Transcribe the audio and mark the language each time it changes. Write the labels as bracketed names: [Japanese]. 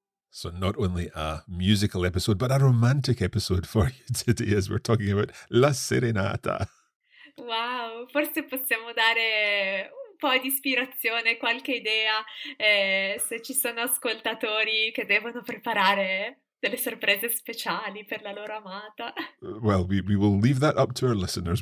[English] So not only a musical episode, but a romantic episode for you today as we're talking about La Serenata. [Italian] Wow, forse possiamo dare un po' di ispirazione, qualche idea, se ci sono ascoltatori che devono preparare delle sorprese speciali per la loro amata. [English] Well, we will leave that up to our listeners.